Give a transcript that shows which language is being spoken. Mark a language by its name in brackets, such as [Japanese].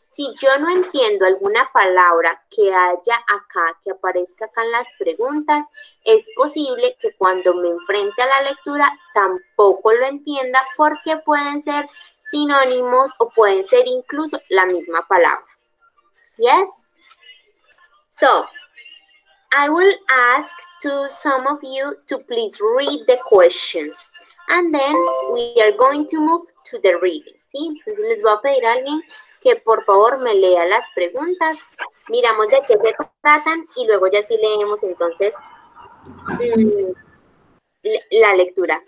[Spanish] Si yo no entiendo alguna palabra que haya acá, que aparezca acá en las preguntas, es posible que cuando me enfrente a la lectura tampoco lo entienda porque pueden ser sinónimos o pueden ser incluso la misma palabra. [English] Yes? So, I will ask to some of you to please read the questions. And then we are going to move to the reading, ¿sí? [Spanish] Entonces les voy a pedir a alguien que por favor me lea las preguntas. Miramos de qué se tratan y luego ya sí leemos entonces la lectura.